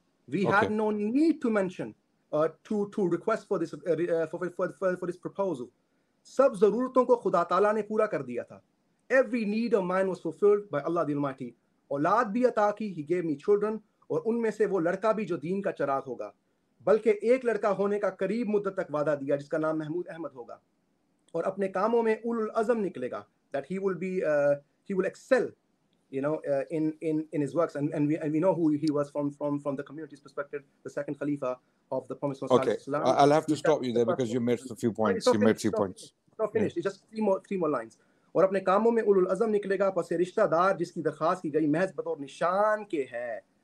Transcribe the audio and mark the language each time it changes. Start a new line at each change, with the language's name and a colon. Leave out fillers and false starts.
English: We had no need to mention to request for this for this proposal.
Urdu: Sab zaruraton ko Khuda Taala ne pura kar diya tha.
English: Every need of mine was fulfilled by Allah the Almighty.
Urdu: Aulaad bhi ata ki,
English: He gave me children."
Urdu: اور ان میں سے وہ لڑکا بھی جو دین کا چراغ ہوگا بلکہ ایک لڑکا ہونے کا قریب مدت تک وعدہ دیا جس کا نام محمود احمد ہوگا اور اپنے کاموں میں اول العظم نکلے گا
English: that he will excel in his works and we know who he was from the community's perspective, the second khalifa of the promised Messiah. Okay, I'll have to stop you there because you made a few points. It's just three more lines.
Urdu: اور اپنے کاموں میں اول العظم نکلے گا پس رشتہ دار جس کی درخواست کی گئی محض بطور نشان کے ہے.